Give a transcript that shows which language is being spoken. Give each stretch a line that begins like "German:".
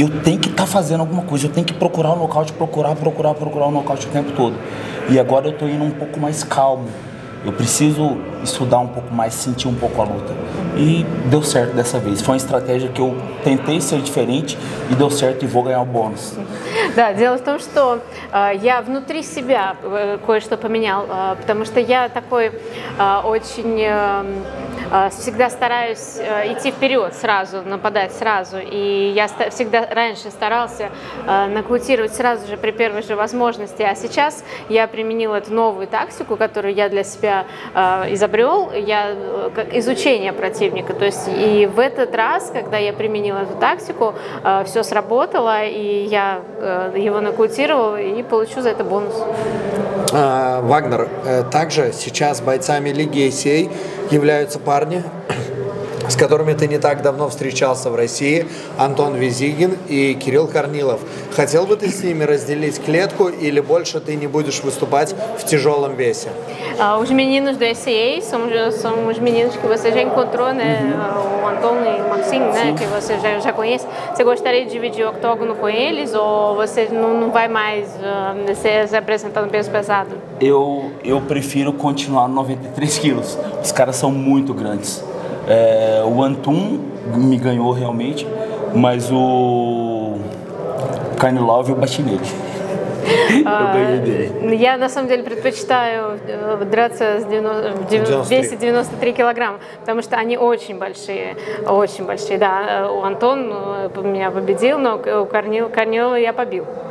Portuguese: Eu tenho que estar fazendo alguma coisa, eu tenho que procurar o nocaute, procurar o nocaute o tempo todo. E agora eu estou indo um pouco mais calmo. Eu preciso estudar um pouco mais, sentir um pouco a luta. E deu certo dessa vez. Foi uma estratégia que eu tentei ser diferente e deu certo e vou ganhar o bônus.
Russian: Да, дело в том, что я внутри себя кое-что поменял, потому что я такой очень всегда стараюсь идти вперед сразу, нападать сразу, и я всегда раньше старался нокаутировать сразу же при первой же возможности, а сейчас я применил эту новую тактику, которую я для себя изобрел, как изучение противника, то есть и в этот раз, когда я применил эту тактику, все сработало, и я его нокаутировал и получу за это бонус. Вагнер, также сейчас бойцами лиги ACA являются парни, с которыми ты не так давно встречался в России, Антон Визигин и Кирилл Корнилов. Хотел бы ты с ними разделить клетку или больше ты не будешь выступать в тяжелом весе?
Portuguese: Os meninos do ACA são os meninos que você já encontrou, né? O Antônio e o Maxim, né? Que você já conhece. Você gostaria de dividir o octógono com eles ou você não vai mais se apresentar no peso pesado? Eu prefiro continuar no 93 quilos. Os caras são muito grandes. O Antun me ganhou realmente, mas o Carnilov eu bati nele.
Russian: Я на самом деле предпочитаю драться в 293 килограмма, потому что они очень большие, да. Антон меня победил, но у Корнилова я побил.